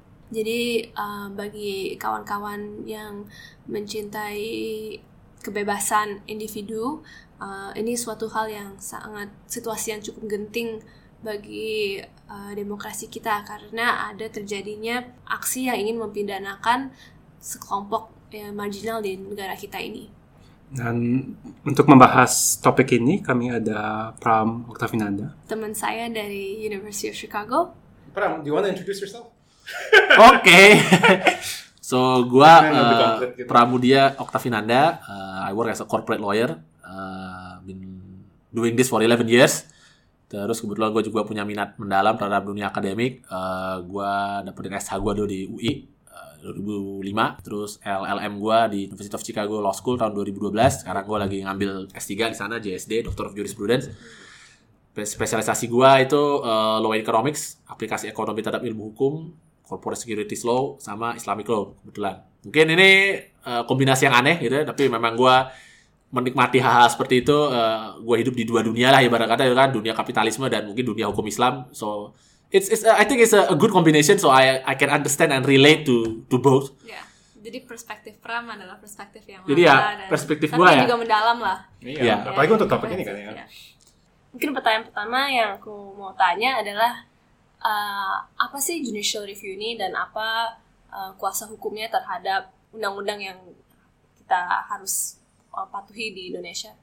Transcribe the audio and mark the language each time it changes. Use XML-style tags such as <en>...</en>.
<id>Jadi bagi kawan-kawan yang mencintai kebebasan individu, ini suatu hal yang sangat, situasi yang cukup genting bagi demokrasi kita, karena ada terjadinya aksi yang ingin mempidanakan sekelompok marginal di negara kita ini. Dan untuk membahas topik ini, kami ada Pram Oktavinanda. Teman saya dari University of Chicago.</id> <en>Pram, do you want to introduce yourself? Okay. So,</en> <id>gua</id> <en>Pramudia Oktavinanda, I work as a corporate lawyer, been doing this for 11 years.</en> <id>Terus kebetulan gua juga punya minat mendalam terhadap dunia akademik. Gua dapetin SH gua dulu di UI, 2005, terus LLM gue di University of Chicago Law School tahun 2012. Sekarang gue lagi ngambil S3 di sana, JSD, Doctor of Jurisprudence. Spesialisasi gue itu Law Economics, aplikasi ekonomi terhadap ilmu hukum, Corporate Securities Law, sama Islamic Law, kebetulan. Mungkin ini kombinasi yang aneh gitu, tapi memang gue menikmati hal-hal seperti itu. Gue hidup di dua dunia lah, ibarat kata, kan? Dunia kapitalisme dan mungkin dunia hukum Islam.</id> <en>So, I think it's a good combination, so I can understand and relate to both. Yeah.</en> <id>Jadi perspektif Pram adalah perspektif yang lama. Jadi ya, perspektif gue ya. Tapi juga mendalam lah. Iya,</id> <en>yeah.</en> <id>Apalagi untuk topik ini kan ya.</id> <en>Yeah.</en> <id>Mungkin pertanyaan pertama yang aku mau tanya adalah, apa sih judicial review ini dan apa kuasa hukumnya terhadap undang-undang yang kita harus patuhi di Indonesia?</id>